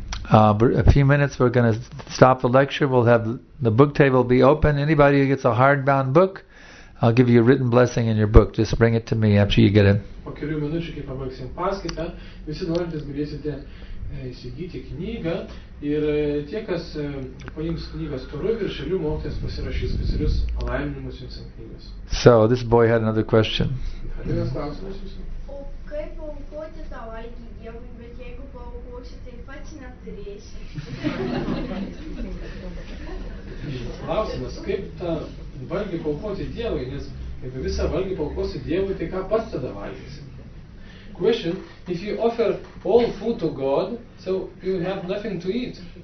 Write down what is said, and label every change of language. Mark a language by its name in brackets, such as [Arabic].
[English] A few minutes, we're going to stop the lecture. We'll have the book table be open. Anybody who gets a hardbound book, I'll give you a written blessing in your book. Just bring it to me after you get it. [Lithuanian] Po kelių minučių, kai pabaigsim paskaitą, visi norintys galėsite įsigyti knygą. Ir tie, kas paims knygas turu ir šalių mokytis, pasirašys specialius palaiminimus jums ant knygas. [English] So, this boy had another question. [Lithuanian] O kaip paukoti tą valgį Dievui, bet jeigu paukoti, tai pats neturėsi? Klausimas, kaip tą valgį paukoti Dievui, nes jeigu visą valgį paukosi Dievui, tai ką pats tada valgysi? [English] Question, if you offer all food to God, so you have nothing to eat.